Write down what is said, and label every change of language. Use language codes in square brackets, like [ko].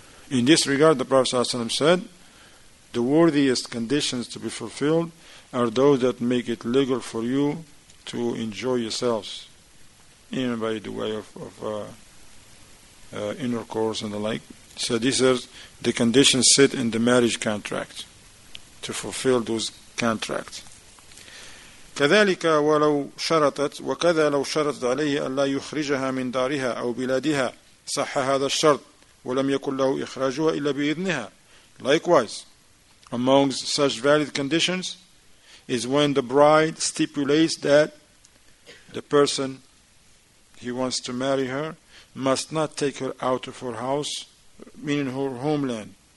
[en] In this regard, the Prophet ﷺ said, the worthiest conditions to be fulfilled are those that make it legal for you to enjoy yourselves, even by the way of intercourse and the like. So these are the conditions set in the marriage contract to fulfill those contracts. [ar] كذلك ولو شرطت وكذا لو شرطت عليه ألا يخرجها من دارها أو بلادها صح هذا الشرط ولم يكن له إخراجها إلا بإذنها. [en] Likewise, amongst such valid conditions is when the bride stipulates that the person he wants to marry her must not take her out of her house, meaning her homeland.